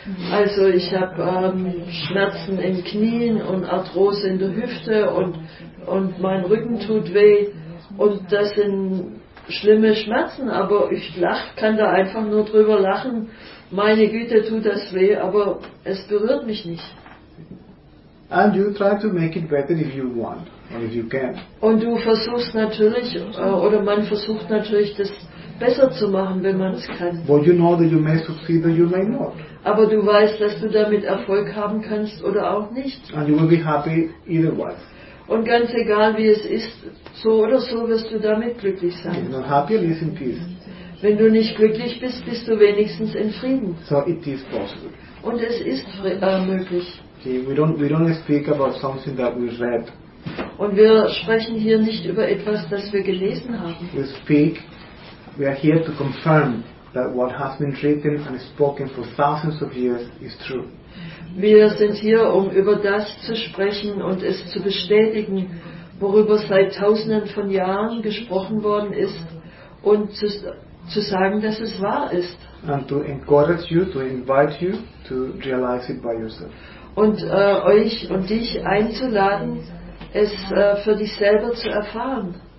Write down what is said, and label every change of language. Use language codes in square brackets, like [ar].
[de] Also ich habe Schmerzen in Knien und Arthrose in der Hüfte und mein Rücken tut weh und das sind schlimme Schmerzen, aber ich lach, kann da einfach nur drüber lachen. Meine Güte, tut das weh, aber es berührt mich nicht. [en] And you try to make it better if you want, or if you can. [de] Und du versuchst natürlich, oder man versucht natürlich, das besser zu machen, wenn man es kann. [en] But you know that you may succeed or you may not. [de] Aber du weißt, dass du damit Erfolg haben kannst oder auch nicht. [en] And you will be happy either way. [de] Und ganz egal, wie es ist, so oder so wirst du damit glücklich sein. [en] If not happy, at least in peace. [de] Wenn du nicht glücklich bist, bist du wenigstens in Frieden. [en] So it is possible. [de] Und es ist möglich. [en] See, we don't speak about something that we read. [de] Und wir sprechen hier nicht über etwas, das wir gelesen haben. [en] We speak, we are here to confirm that what has been written and spoken for thousands of years is true. [de] Wir sind hier, um über das zu sprechen und es zu bestätigen, worüber seit tausenden von Jahren gesprochen worden ist und zu sagen, dass es wahr ist. [en] And to encourage you, to invite you to realize it by yourself. [de] Und euch und dich einzuladen, es für dich selber zu erfahren.